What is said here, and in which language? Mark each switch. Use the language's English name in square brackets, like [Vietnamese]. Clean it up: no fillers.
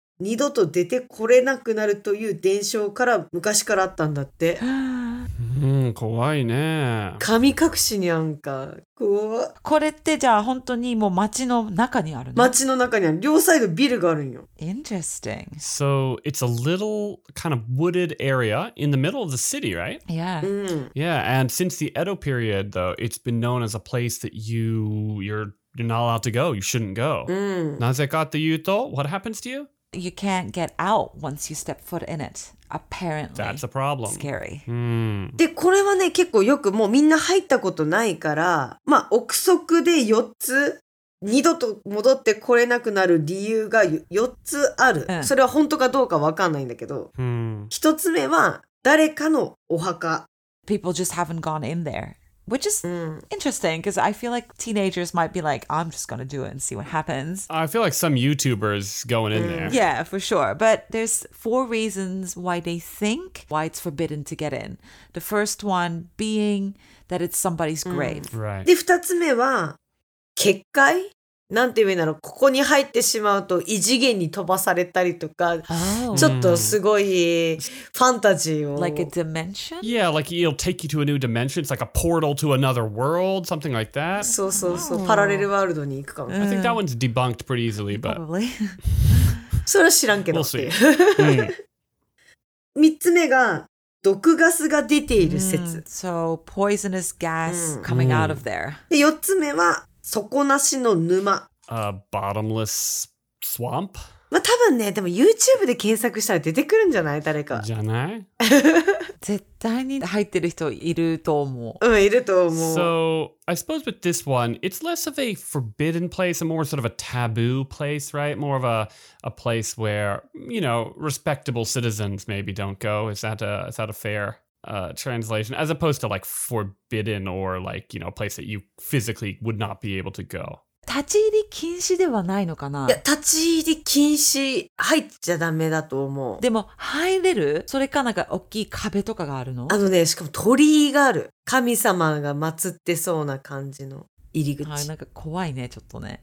[Japanese] 二度と出てこれなくなるという伝承から昔からあったんだって。うん、怖いね。神隠しにあんか。怖っ。これってじゃあ本当にもう街の中にあるの？街の中にある。両サイドビルがあるんよ。 [English] Interesting. So it's a little kind of wooded area in the middle of the city, right? Yeah.、 Mm. Yeah, and since the Edo period, though, it's been known as a place that you're not allowed to go. You shouldn't go.、 Mm. [Japanese] なぜかっていうと、 [English] what happens to you? You can't get out once you step foot in it, apparently. That's a problem. Scary.、 Mm. [Japanese] で、これはね、結構よくもうみんな入ったことないから、まあ、憶測で4つ、二度と戻ってこれなくなる理由が4つある。 Mm. それは本当かどうかわかんないんだけど。 Mm. 1つ目は、誰かのお墓。 [English] People just haven't gone in there. Which is、mm. interesting because I feel like teenagers might be like, I'm just going to do it and see what happens. I feel like some YouTubers going、mm. in there. Yeah, for sure. But there's four reasons why they think why it's forbidden to get in. The first one being that it's somebody's、mm. grave. Right. [Japanese] で、二つ目は、結界?なんて言うんだろう。ここに入ってしまうと異次元に飛ばされたりとか、 oh. ちょっとすごいファンタジーを。 [English] Like a dimension? Yeah, like it'll take you to a new dimension. It's like a portal to another world, something like that. [Japanese] そうそうそう。Oh. パラレルワールドに行くかも。 [English] I think that one's debunked pretty easily, but... Probably. [Japanese] それは知らんけど。 [English] We'll see. [Japanese] 三つ目が、毒ガスが出ている説。 Mm. [English] So, poisonous gas coming、mm. out of there. [Japanese] で、四つ目は、底なしの沼。 [English] A bottomless swamp? [Japanese] まあ多分ね、でも YouTube で検索したら出てくるんじゃない誰か。じゃない絶対に入ってる人いると思う。うん、いると思う。 [English] So, I suppose with this one, it's less of a forbidden place, a more sort of a taboo place, right? More of a place where, you know, respectable citizens maybe don't go. Is that a fair... translation, as opposed to like forbidden or like, you know, a place that you physically would not be able to go. [Japanese] 立ち入り禁止ではないのかな? いや、立ち入り禁止入っちゃダメだと思う。でも入れる? それかなんか大きい壁とかがあるの? あのね、しかも鳥居がある。神様が祀ってそうな感じの入り口。はい、なんか怖いね、ちょっとね。